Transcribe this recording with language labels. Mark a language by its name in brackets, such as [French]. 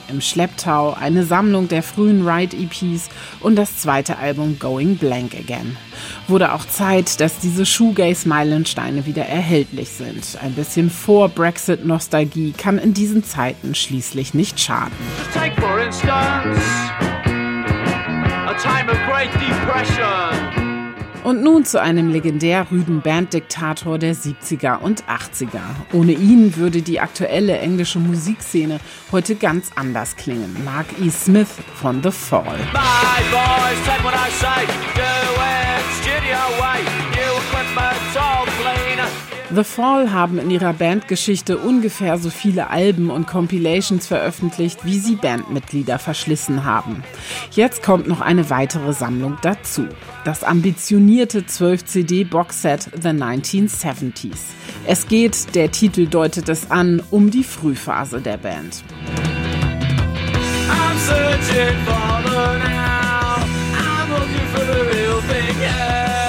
[German] Im Schlepptau eine Sammlung der frühen Wright-EPs und das zweite Album Going Blank Again. Wurde auch Zeit, dass diese Shoegaze-Meilensteine wieder erhältlich sind. Ein bisschen Vor-Brexit-Nostalgie kann in diesen Zeiten schließlich nicht schaden. [English] Take for instance a time of great depression. [German] Und nun zu einem legendär rüden Banddiktator der 70er und 80er. Ohne ihn würde die aktuelle englische Musikszene heute ganz anders klingen. Mark E. Smith von The Fall. [English] My boys, take what I say. Do it, studio way. New equipment, all clean. [German] The Fall haben in ihrer Bandgeschichte ungefähr so viele Alben und Compilations veröffentlicht, wie sie Bandmitglieder verschlissen haben. Jetzt kommt noch eine weitere Sammlung dazu. Das ambitionierte 12-CD-Boxset The 1970s. Es geht, der Titel deutet es an, um die Frühphase der Band. [English] I'm searching for the now. I'm looking for the real thing, yeah.